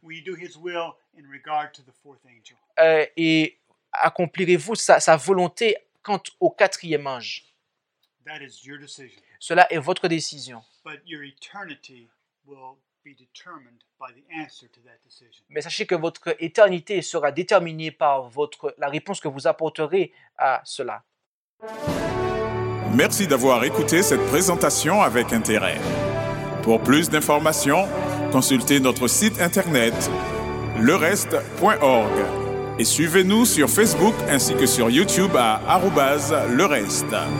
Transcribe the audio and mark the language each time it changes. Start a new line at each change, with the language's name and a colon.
English: Will you do His will in regard to the fourth angel?
French: Et accomplirez-vous sa volonté quant au quatrième ange?
English: That is your decision.
French: Cela est votre décision.
English: But your eternity will be determined by the answer to that decision.
French: Mais sachez que votre éternité sera déterminée par la réponse que vous apporterez à cela. Merci d'avoir écouté cette présentation avec intérêt. Pour plus d'informations, consultez notre site internet lereste.org et suivez-nous sur Facebook ainsi que sur YouTube à @lereste.